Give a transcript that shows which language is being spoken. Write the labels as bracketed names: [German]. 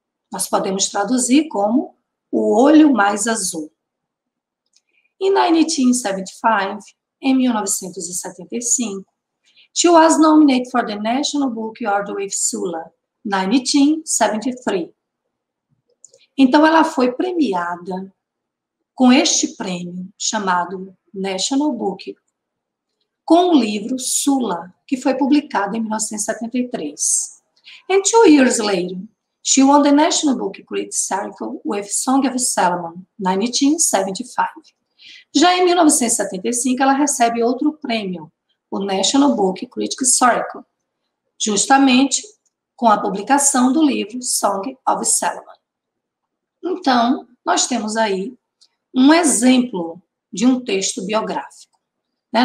[Portuguese] Nós podemos traduzir como O Olho Mais Azul. [English] Em 1975, em 1975, she was nominated for the National Book Award with Sula, 1973. [Portuguese] Então, ela foi premiada com este prêmio chamado National Book, com o livro Sula, que foi publicado em 1973. [English] And 2 years later, she won the National Book Critics Circle with Song of Solomon, 1975. [Portuguese] Já em 1975, ela recebe outro prêmio, o National Book Critics Circle, justamente com a publicação do livro Song of Solomon. Então, nós temos aí um exemplo de um texto biográfico. Né?